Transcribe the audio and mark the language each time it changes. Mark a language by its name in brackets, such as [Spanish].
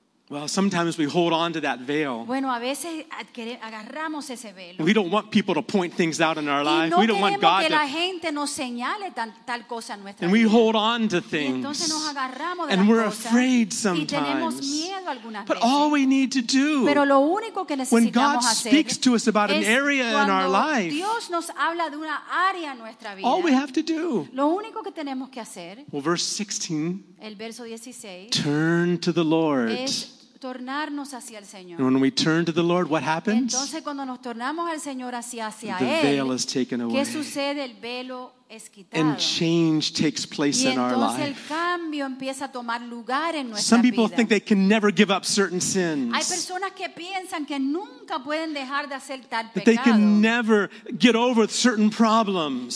[English] Well, sometimes we hold on to that veil. [Spanish] Bueno, a veces agarramos ese velo. [English] We don't want people to point things out in our life. [Spanish] No, [English] we don't want God [Spanish] que la gente nos señale tal cosa en nuestra vida. [English] And we hold on to things. [Spanish] Y entonces nos agarramos de [English] and [Spanish] las [English] we're [Spanish] cosas, [English] afraid sometimes. [Spanish] Y tenemos miedo algunas veces. [English] But all we need to do, [Spanish] pero lo único que necesitamos [English] when God [Spanish] hacer [English] speaks to us about an area in our life, [Spanish] Dios nos habla de una área en nuestra vida, [English] all we have to do, [Spanish] lo único que tenemos que hacer, [English] well, verse 16, [Spanish] el verso 16, [English] turn to the Lord. [Spanish] Tornarnos hacia el Señor. [English] And when we turn to the Lord, what happens? [Spanish] Entonces, cuando nos tornamos al Señor hacia [English] the [Spanish] él, [English] veil is taken away. [Spanish] ¿Qué sucede? El velo es quitado. [English] And change takes place [Spanish] y entonces [English] in our life. [Spanish] El cambio empieza a tomar lugar en nuestra [English] some people [Spanish] vida. [English] Think they can never give up certain sins. [Spanish] Hay personas que piensan que nunca pueden dejar de hacer tal pecado. [English] That they can never get over certain problems.